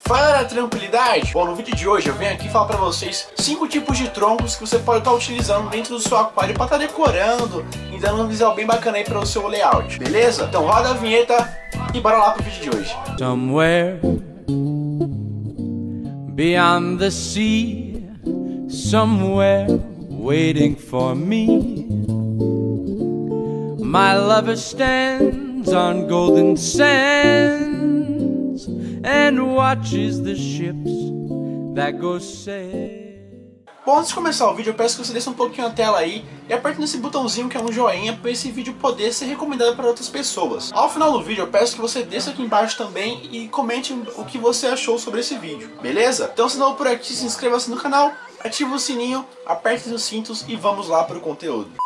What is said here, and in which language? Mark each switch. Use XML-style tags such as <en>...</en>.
<pt>Para a tranquilidade, bom, no vídeo de hoje eu venho aqui falar para vocês 5 tipos de troncos que você pode estar utilizando dentro do seu aquário para estar decorando e dando um visual bem bacana aí para o seu layout, beleza? Então roda a vinheta e bora lá pro vídeo de hoje.</pt> <en>Somewhere beyond the sea, somewhere waiting for me, my lover stands on golden sand. And watches the ships that go sail.</en> <pt>Bom, antes de começar o vídeo, eu peço que você desça um pouquinho a tela aí e aperte nesse botãozinho que é um joinha para esse vídeo poder ser recomendado para outras pessoas. Ao final do vídeo, eu peço que você desça aqui embaixo também e comente o que você achou sobre esse vídeo, beleza? Então, se não por aqui, se inscreva-se no canal, ative o sininho, aperte os cintos e vamos lá para o conteúdo.</pt>